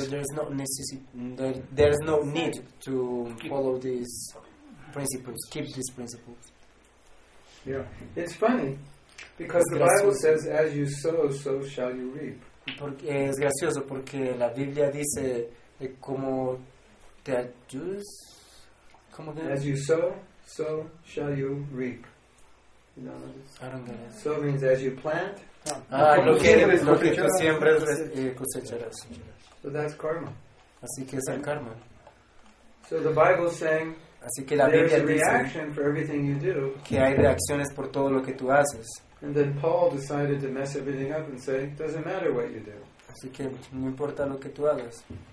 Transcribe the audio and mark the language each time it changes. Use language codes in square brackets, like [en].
[en] So there's no need to follow these principles, keep these principles. Yeah, it's funny, because the Bible says, as you sow, so shall you reap. [es] Porque es gracioso porque la Biblia dice como te ayudes, como que [en] as you sow, so shall you reap. No, no, no. So means as you plant, [es] lo que tú siempre cosecharás. [en] So that's karma. [es] Así que es el karma. [en] So the Bible saying, [es] así que la Biblia [en] there's [es] dice [en] a reaction for everything you do. [es] Que hay reacciones por todo lo que tú haces. [en] And then Paul decided to mess everything up and say, doesn't matter what you do. [es] Así que no importa lo que tú hagas.